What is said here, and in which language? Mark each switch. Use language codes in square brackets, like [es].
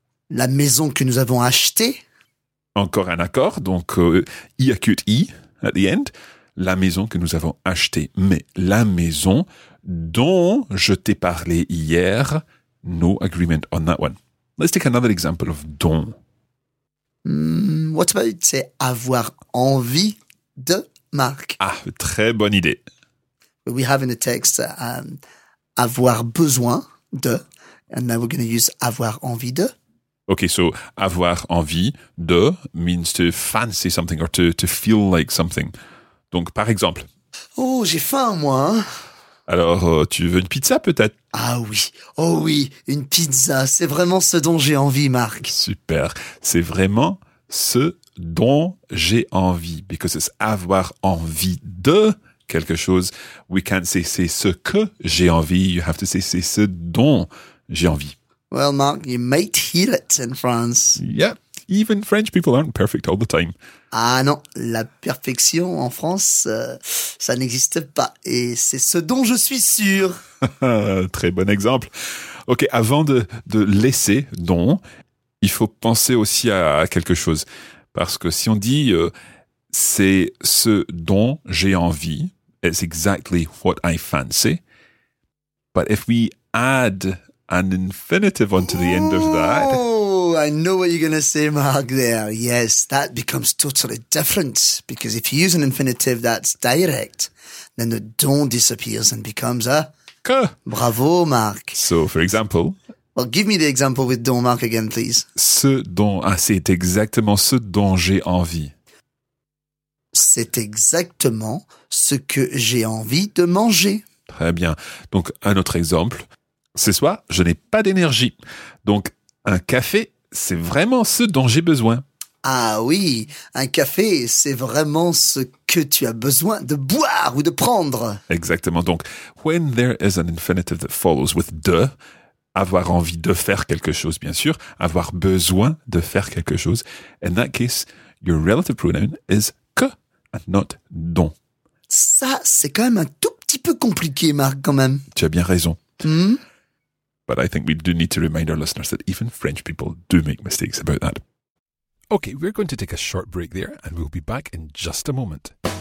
[fr] La maison que nous avons achetée. Encore un accord, donc [en] I acute I at the end. [fr] La maison que nous avons achetée, mais la maison dont je t'ai parlé hier, [en] no agreement on that one. Let's take another example of dont. What about say, avoir envie de Marc? [fr] Ah, très bonne idée. [en] We have in the text avoir besoin de, and now we're going to use avoir envie de. Okay, so avoir envie de means to fancy something or to feel like something. [fr] Donc, par exemple. Oh, j'ai faim, moi. Alors, tu veux une pizza, peut-être? Ah oui, oh oui, une pizza, c'est vraiment ce dont j'ai envie, Marc. Super, c'est vraiment ce dont j'ai envie. [en] Because it's avoir envie de quelque chose. We can't say [fr] c'est ce que j'ai envie, [en] you have to say [fr] c'est ce dont j'ai envie. [en] Well, Mark, you might hear it in France. Yeah, even French people aren't perfect all the time. [fr] Ah non, la perfection en France, ça n'existe pas. Et c'est ce dont je suis sûr. Très bon exemple. OK, avant de laisser don, il faut penser aussi à quelque chose. Parce que si on dit c'est ce dont j'ai envie, [en] it's exactly what I fancy. But if we add... an infinitive onto the end of that. Oh, I know what you're going to say, Mark, there. Yes, that becomes totally different. Because if you use an infinitive that's direct, then the don't disappears and becomes a... [fr] que. [en] Bravo, Mark. So, for example... Well, give me the example with don't, Mark, again, please. [fr] Ce dont... Ah, c'est exactement ce dont j'ai envie. C'est exactement ce que j'ai envie de manger. Très bien. Donc, un autre exemple... Ce soir, je n'ai pas d'énergie. Donc, un café, c'est vraiment ce dont j'ai besoin. Ah oui, un café, c'est vraiment ce que tu as besoin de boire ou de prendre. [en] Exactement. Donc, when there is an infinitive that follows with de, [fr] avoir envie de faire quelque chose, [en] bien sûr, [fr] avoir besoin de faire quelque chose, [en] in that case, your relative pronoun is que and not don. [fr] Ça, c'est quand même un tout petit peu compliqué, Marc, quand même. Tu as bien raison. [en] But I think we do need to remind our listeners that even French people do make mistakes about that. Okay, we're going to take a short break there and we'll be back in just a moment.